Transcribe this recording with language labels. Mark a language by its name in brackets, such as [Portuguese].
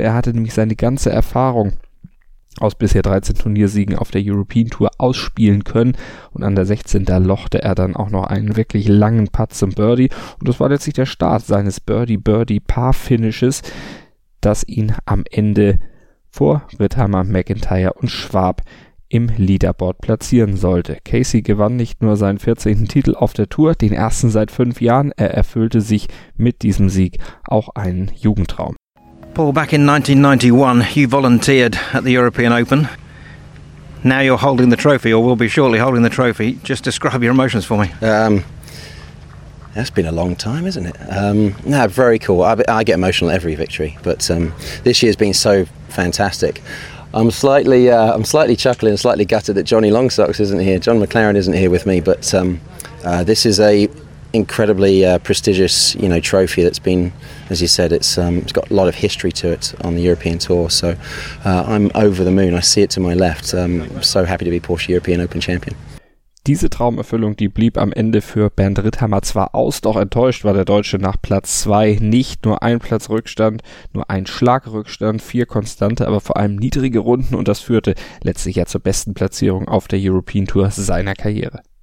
[German] Er hatte nämlich seine ganze Erfahrung aus bisher 13 Turniersiegen auf der European Tour ausspielen können, und an der 16, da lochte er dann auch noch einen wirklich langen Putt zum Birdie, und das war letztlich der Start seines Birdie-Birdie-Par-Finishes, das ihn am Ende vor Ritthammer, McIntyre und Schwab im Leaderboard platzieren sollte. Casey gewann nicht nur seinen 14. Titel auf der Tour, den ersten seit 5 Jahren, er erfüllte sich mit diesem Sieg auch einen Jugendtraum. [English] Paul, back in 1991, you volunteered at the European Open. Now you're holding the trophy, or will be shortly holding the trophy. Just describe your emotions for me. That's been a long time, isn't it? No, very cool. I get emotional every victory, but this year's been so fantastic. I'm slightly chuckling, slightly gutted that Johnny Longsocks isn't here. John McLaren isn't here with me, but this is a incredibly prestigious, you know, trophy that's been, as you said, it's got a lot of history to it on the European Tour, so I'm over the moon. I see it to my left. I'm so happy to be Porsche European Open Champion. [German] Diese Traumerfüllung, die blieb am Ende für Bernd Ritthammer zwar aus, doch enttäuscht war der Deutsche nach Platz 2 nicht. Nur ein Platz Rückstand, nur ein Schlag Rückstand, 4 Konstante, aber vor allem niedrige Runden, und das führte letztlich ja zur besten Platzierung auf der European Tour seiner Karriere.